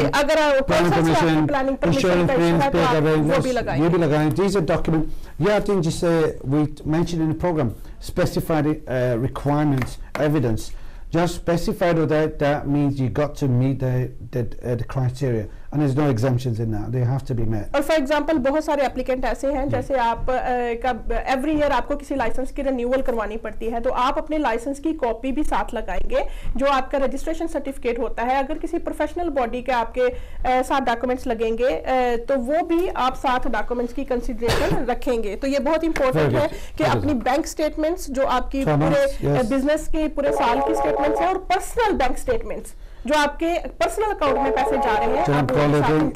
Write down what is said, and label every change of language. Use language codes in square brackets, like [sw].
[hi] जी अगर आप planning permission ये भी लगाएंगे [en] These are document या thing जिसे we mention in the program specified requirements evidence Just specified with that means you got to meet the criteria. And there's no exemptions in that. They have to be met. [hi] Or for example, बहुत सारे applicant ऐसे हैं जैसे आप का every year आपको किसी license की renewal करवानी पड़ती है तो आप अपने license की copy भी साथ लगाएंगे जो आपका registration certificate होता है अगर किसी professional body के आपके साथ documents लगेंगे तो वो भी आप साथ documents की consideration रखेंगे तो ये बहुत important है कि अपनी bank statements जो आपकी पूरे business के पूरे साल की statements है और personal bank statements जो आपके पर्सनल अकाउंट में पैसे जा रहे हैं आप कॉल करेंगे